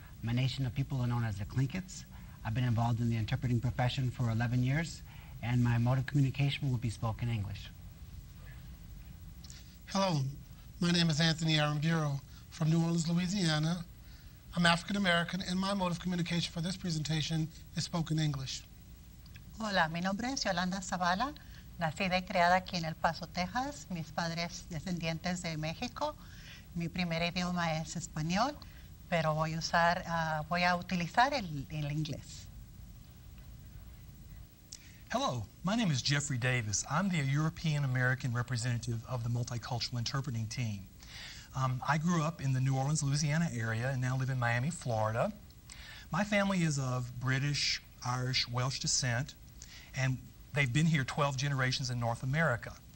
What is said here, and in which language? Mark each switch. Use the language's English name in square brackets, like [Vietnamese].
[English] My nation of people are known as the Tlinkets. I've been involved in the interpreting profession for 11 years, and my mode of communication will be spoken English. Hello, my name is Anthony Aramburo from New Orleans, Louisiana. I'm African American, and my mode of communication for this presentation is spoken English. [Spanish] Hola, mi nombre es Yolanda Zavala, nacida y criada aquí en El Paso, Texas. Mis padres descendientes de México. Mi primer idioma es español, pero voy a utilizar el inglés. [English] Hello, my name is Jeffrey Davis. I'm the European American representative of the Multicultural Interpreting Team. I grew up in the New Orleans, Louisiana area and now live in Miami, Florida. My family is of British, Irish, Welsh descent, and they've been here 12 generations in North America.